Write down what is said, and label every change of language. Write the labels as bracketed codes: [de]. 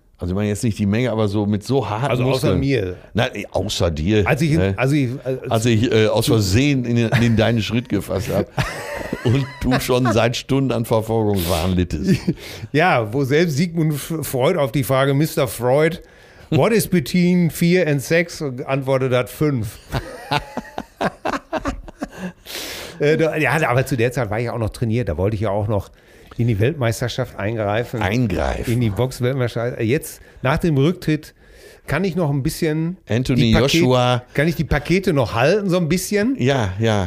[de] Also ich meine jetzt nicht die Menge, aber so mit so harten Muskeln. Also außer mir. Nein, außer dir. Als ich aus Versehen in deinen Schritt gefasst habe und du schon seit Stunden an Verfolgungswahn littest. Ja, wo selbst Sigmund Freud auf die Frage, Mr. [en] Freud, what is between 4 and 6, [de] antwortet hat 5. Ja, aber zu der Zeit war ich auch noch trainiert. Da wollte ich ja auch noch in die Weltmeisterschaft eingreifen. In die Box-Weltmeisterschaft. Jetzt, nach dem Rücktritt, kann ich noch ein bisschen... Kann ich die Pakete noch halten, so ein bisschen? Ja, ja.